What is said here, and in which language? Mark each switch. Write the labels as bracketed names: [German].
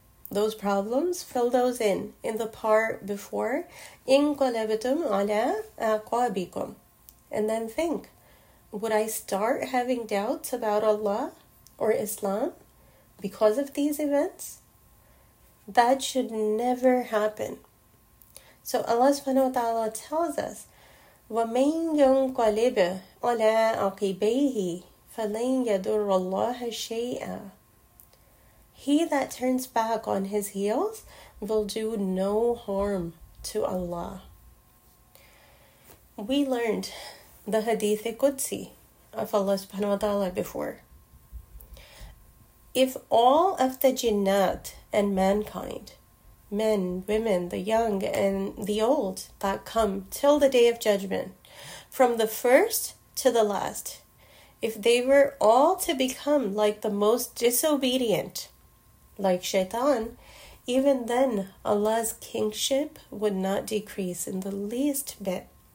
[English] Those problems, fill those in the part before, [Arabic] inqalabtum ala aqabikum. [English] And then think, would I start having doubts about Allah or Islam because of these events? That should never happen. So Allah subhanahu wa ta'ala tells us, [Arabic] وَمَنْ يُنْقَلِبَ عَلَىٰ عَقِبَيْهِ فَلَنْ يَدُرَّ اللَّهَ شَيْئًا. [English] He that turns back on his heels will do no harm to Allah. We learned the hadith Qudsi of Allah subhanahu wa ta'ala before. If all of the jinnat and mankind, men, women, the young and the old that come till the day of judgment, from the first to the last, if they were all to become like the most disobedient, like shaitan, even then Allah's kingship would not decrease in the least bit.